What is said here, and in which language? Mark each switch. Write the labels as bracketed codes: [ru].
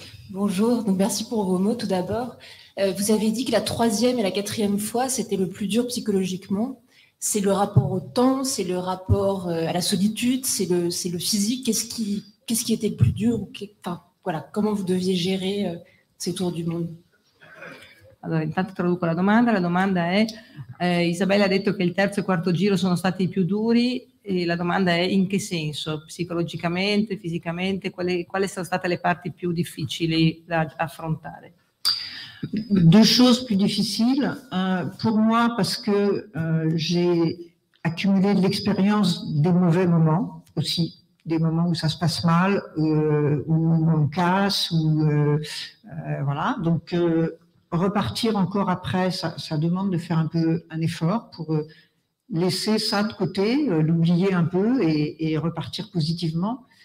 [fr] Bonjour, donc merci pour vos mots tout d'abord. Vous avez dit que la troisième et la quatrième fois, c'était le plus dur psychologiquement. C'est le rapport au temps, c'est le rapport à la solitude, c'est le physique. Qu'est-ce qui était le plus dur voilà, comment vous deviez gérer ces tours du monde? [it] Allora, intanto traduco la domanda. La domanda è, Isabella ha detto che il terzo e quarto giro sono stati i più duri, e la domanda è in che senso, psicologicamente, fisicamente, quali sono state le parti più difficili da affrontare? [fr] Deux choses plus difficiles, pour moi, parce que j'ai accumulé de l'expérience des mauvais moments aussi, des moments où ça se passe mal, où on casse, où voilà. Donc repartir encore après, ça demande de faire un peu un effort pour laisser ça de côté, l'oublier un peu et repartir positivement.